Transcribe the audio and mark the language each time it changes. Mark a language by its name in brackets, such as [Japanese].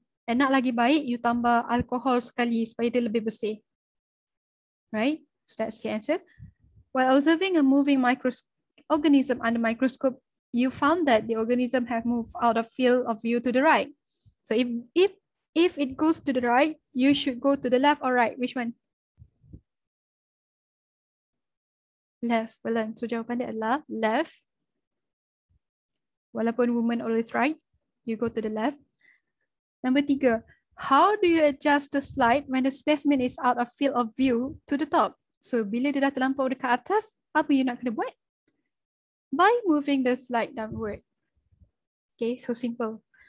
[Malay] And nak lagi baik, you tambah alcohol sekali supaya dia lebih bersih. [English] Right? So that's the answer. While observing a moving organism under microscope, you found that the organism have moved out of field of view to the right. So if it goes to the right, you should go to the left or right. Which one? Left. [Malay] Well, so jawapan dia adalah left. [English] Walaupun woman always right, you go to the left. [Malay] Number tiga, [English] how do you adjust the slide when the specimen is out of field of view to the top? [Malay] So bila dia dah terlampau dekat atas, apa you nak kena buat? [English] By moving the slide downward. Okay, so simple.